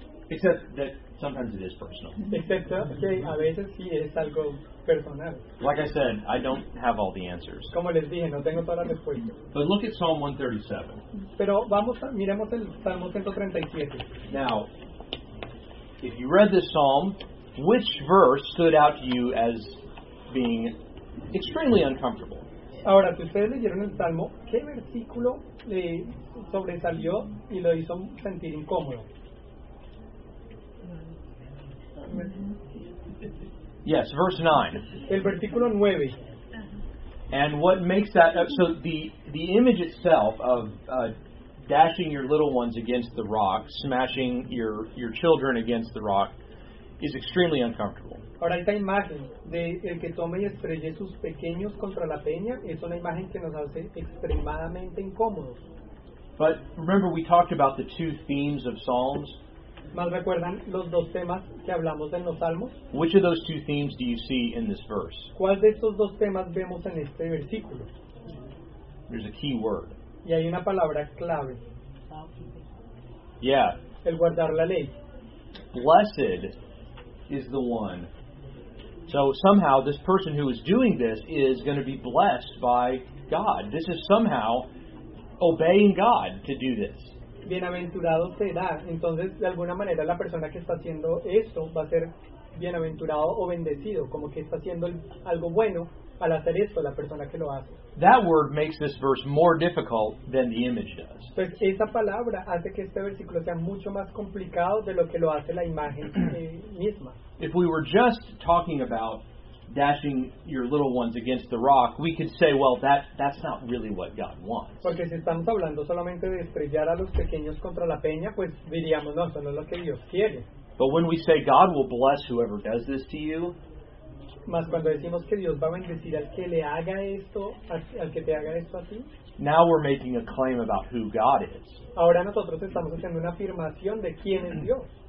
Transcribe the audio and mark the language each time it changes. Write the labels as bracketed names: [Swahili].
[English] Except that sometimes it is personal. [Spanish] Excepto que a veces sí es algo personal. [English] Like I said, I don't have all the answers. [Spanish] Como les dije, no tengo todas las respuestas. [English] But look at Psalm 137. [Spanish] Pero miremos el Salmo 137. [English] Now, if you read this psalm, which verse stood out to you as being extremely uncomfortable? [Spanish] Ahora, si ustedes leyeron el Salmo, ¿qué versículo le sobresalió y lo hizo sentir incómodo? [English] Yes, verse 9. [Spanish] El versículo 9. [English] And what makes that so the image itself of dashing your little ones against the rock, smashing your children against the rock, is extremely uncomfortable. [Spanish] Ahora esta imagen de el que toma y estrella sus pequeños contra la peña es una imagen que nos hace extremadamente incómodos. [English] But remember, we talked about the two themes of Psalms. [Spanish] ¿Más recuerdan los dos temas que hablamos en los Salmos? [English] Which of those two themes do you see in this verse? [Spanish] ¿Cuál de estos dos temas vemos en este versículo? [English] There's a key word. [Spanish] Y hay una palabra clave. [English] Yeah. [Spanish] El guardar la ley. [English] Blessed is the one. So somehow this person who is doing this is going to be blessed by God. This is somehow obeying God to do this. [Spanish] Bienaventurado será. Entonces, de alguna manera, la persona que está haciendo esto va a ser bienaventurado o bendecido, como que está haciendo algo bueno al hacer esto, la persona que lo hace. [English] That word makes this verse more difficult than the image does. [Spanish] Pues esa palabra hace que este versículo sea mucho más complicado de lo que lo hace la imagen misma. [English] If we were just talking about dashing your little ones against the rock, we could say, well, that's not really what God wants. [Spanish] Porque si estamos hablando solamente de estrellar a los pequeños contra la peña, pues diríamos, no, eso no es lo que Dios quiere. [English] But when we say God will bless whoever does this to you, [Spanish] Mas cuando decimos que Dios va a bendecir al que le haga esto, al que te haga esto a ti. [English] Now we're making a claim about who God is. [Spanish] Ahora nosotros estamos haciendo una afirmación de quién es Dios.